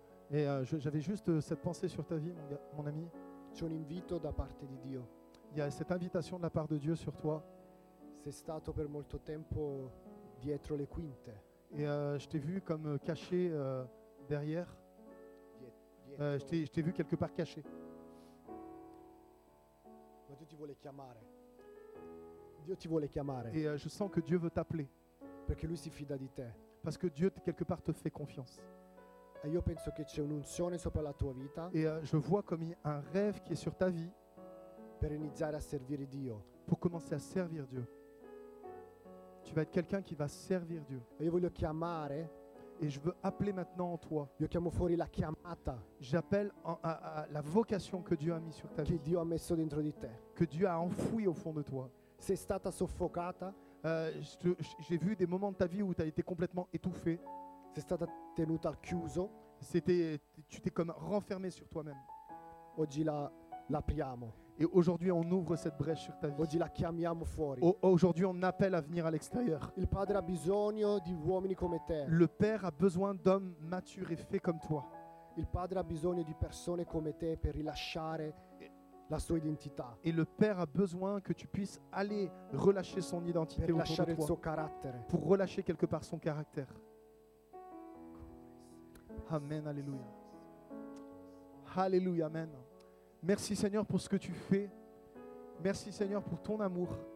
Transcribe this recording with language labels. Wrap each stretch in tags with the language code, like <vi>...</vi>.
<fr>Et j'avais juste cette pensée sur ta vie, mon ami.</fr> <it>C'è un invito da parte di Dio.</it> <fr>Il y a cette invitation de la part de Dieu sur toi.</fr> <it>C'est stato per molto tempo dietro le quinte.</it> <fr>Et je t'ai vu comme caché derrière. Je t'ai vu quelque part caché.</fr> <it>Ma Dio ti vuole chiamare. Dio ti vuole chiamare.</it> <fr>Et je sens que Dieu veut t'appeler.</fr> <it>Perché lui si fida di te.</it> <fr>Parce que Dieu quelque part te fait confiance.</fr> <it>Et io penso che c'è un'unzione sopra la tua vita.</it> <fr>Et je vois comme un rêve qui est sur ta vie.</fr> <it>Per iniziare a servire Dio.</it> <fr>Pour commencer à servir Dieu. Tu vas être quelqu'un qui va servir Dieu.</fr> <it>E io voglio chiamare.</it> <fr>Et je veux appeler maintenant en toi.</fr> <it>Io chiamo fuori la chiamata.</it> <fr>J'appelle à la vocation que Dieu a mis sur ta</fr> <it>che</it> <fr>vie.</fr> <it>Dio ha messo dentro di te.</it> <fr>Que Dieu a enfoui au fond de toi.</fr> <it>Sei stata soffocata.</it> <fr>J'ai vu des moments de ta vie où tu as été complètement étouffé.</fr> <it>Sei stata tenuta chiuso.</it> <fr>Tu t'es comme renfermé sur toi-même.</fr> <it>Oggi la apriamo.</it> <fr>Et aujourd'hui, on ouvre cette brèche sur ta vie.</fr> <it>Oggi la chiamiamo fuori.</it> <fr>Aujourd'hui, on appelle à venir à l'extérieur.</fr> <it>Il padre ha bisogno di uomini come te.</it> <fr>Le Père a besoin d'hommes matures et faits comme toi.</fr> <it>Il padre ha bisogno di persone come te per rilasciare la sua identità.</it> <fr>Et le Père a besoin que tu puisses aller relâcher son identité</fr> <it>per</it> <fr>autour de toi.</fr> <it>Il suo carattere.</it> <fr>Pour relâcher quelque part son caractère. Amen, alléluia. Alléluia, amen. Merci Seigneur pour ce que tu fais. Merci Seigneur pour ton amour.</fr>